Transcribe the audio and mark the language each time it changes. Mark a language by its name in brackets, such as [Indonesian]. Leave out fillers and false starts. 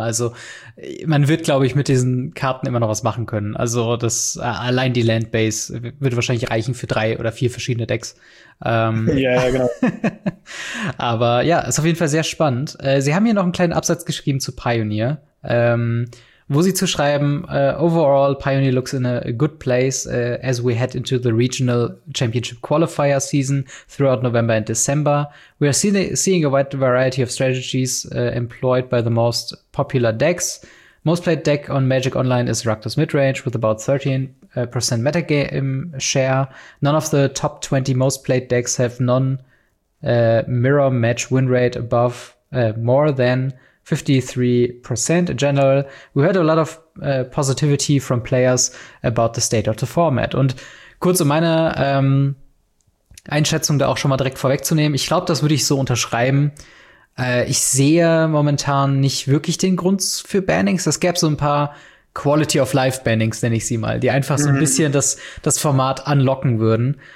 [German] Also man wird, glaube ich, mit diesen Karten immer noch was machen können. Also das allein die Landbase würde wahrscheinlich reichen für drei oder vier verschiedene Decks. Ja, genau. aber ja, ist auf jeden Fall sehr spannend. Sie haben hier noch einen kleinen Absatz geschrieben zu Pioneer. Wo sie zu schreiben, [English] overall, Pioneer looks in a good place as we head into the regional championship qualifier season throughout November and December. We are seeing a wide variety of strategies employed by the most popular decks. Most played deck on Magic Online is Rakdos Midrange with about 13% metagame share. None of the top 20 most played decks have non-mirror match win rate above more than 53% in general. We heard a lot of positivity from players about the state of the format. [German] Und kurz um meine Einschätzung da auch schon mal direkt vorwegzunehmen, ich glaube, das würde ich so unterschreiben. Ich sehe momentan nicht wirklich den Grund für Bannings. Es gäbe so ein paar Quality of Life Bannings, nenne ich sie mal, die einfach so ein bisschen das Format anlocken würden.